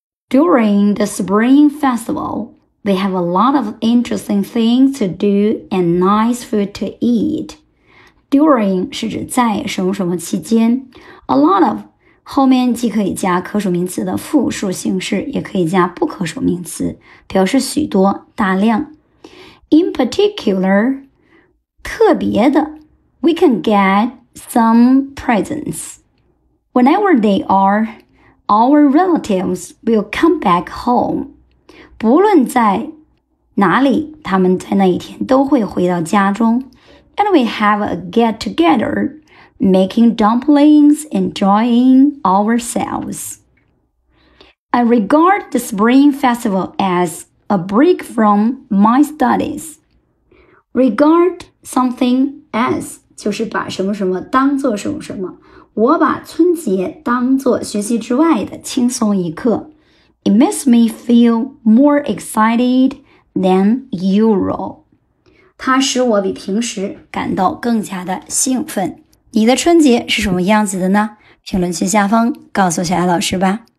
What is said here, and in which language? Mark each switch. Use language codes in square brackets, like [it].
[en] During the Spring Festival, they have a lot of interesting things to do and nice food to eat. [zh] During 是指在什么什么期间。 A lot of后面既可以加可数名词的复数形式，也可以加不可数名词，表示许多、大量。 [en] In particular, [zh] 特别的 [en] we can get some presents. Whenever they are, our relatives will come back home. [zh] 不论在哪里，他们在那一天都会回到家中。 [en] And we have a get-together. Making dumplings, enjoying ourselves. I regard the Spring Festival as a break from my studies. Regard something as [zh] 就是把什么什么当作什么什么。我把春节当作学习之外的轻松一刻。 [en] It makes me feel more excited than usual. [zh] 它使我比平时感到更加的兴奋。你的春节是什么样子的呢？评论区下方告诉小艾老师吧。